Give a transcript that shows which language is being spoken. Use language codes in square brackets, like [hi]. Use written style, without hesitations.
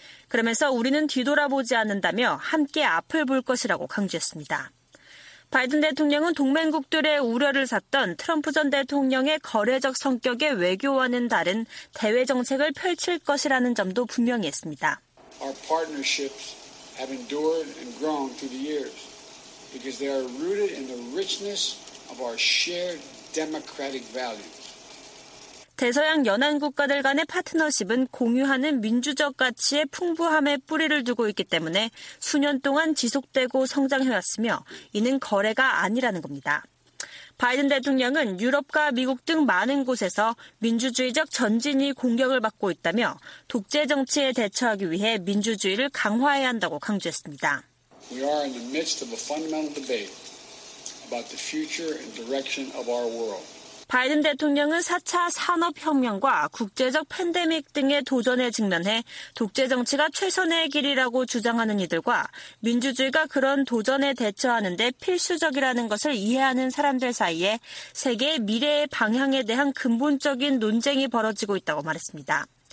[ko] 그러면서 우리는 뒤돌아보지 않는다며 함께 앞을 볼 것이라고 강조했습니다. 바이든 대통령은 동맹국들의 우려를 샀던 트럼프 전 대통령의 거래적 성격의 외교와는 다른 대외정책을 펼칠 것이라는 점도 분명히 했습니다. [en] Our partnerships have endured and grown through the years because they are rooted in the richness of our shared democratic values. [ko] 대서양 연안 국가들 간의 파트너십은 공유하는 민주적 가치의 풍부함에 뿌리를 두고 있기 때문에 수년 동안 지속되고 성장해왔으며 이는 거래가 아니라는 겁니다. 바이든 대통령은 유럽과 미국 등 많은 곳에서 민주주의적 전진이 공격을 받고 있다며 독재 정치에 대처하기 위해 민주주의를 강화해야 한다고 강조했습니다. [en] We are in the midst of a fundamental debate about the future and direction of our world. [ko] 바이든 대통령은 4차 산업혁명과 국제적 팬데믹 등의 도전에 직면해 독재정치가 최선의 길이라고 주장하는 이들과 민주주의가 그런 도전에 대처하는 데 필수적이라는 것을 이해하는 사람들 사이에 세계의 미래의 방향에 대한 근본적인 논쟁이 벌어지고 있다고 말했습니다.